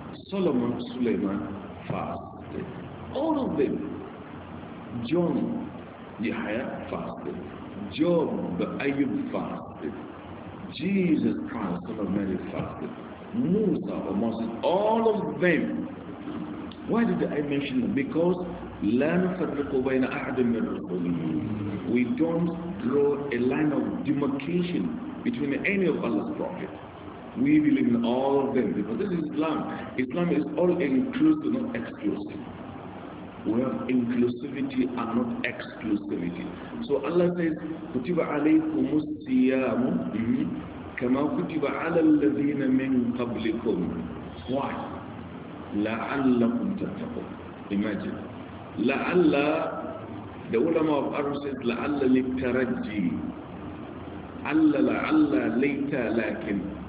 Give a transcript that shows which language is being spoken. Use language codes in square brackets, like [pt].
[en] Solomon, Suleiman fasted. All of them. John, Yahya fasted. Job, Ayub fasted. Jesus Christ, Son of Mary fasted. Musa or Moses, all of them. Why did I mention them? Because [ar] لَا نُفَرِّقُ بَيْنَ أَحْدٍ مِنْ رُسُلِهِ. [en] We don't draw a line of demarcation between any of Allah's prophets. We believe in all of them, because this is Islam. Islam is all inclusive, not exclusive. We have inclusivity and not exclusivity. So Allah says, [ar] كُتِبَ عَلَيْكُمُ السِّيَامُ كَمَا كُتِبَ عَلَى الَّذِينَ مِنْ قَبْلِكُمْ. [en] Why? [ar] لَعَلَّكُمْ تَتَّقُونَ. [en] Imagine. [ar] لَعَلَّ, [en] the ulama of Arab says, [ar] لَعَلَّ لِلْتَرَجِّي. عَلَّ, لَعَلَّ, لَيْتَ, لَكِنْ.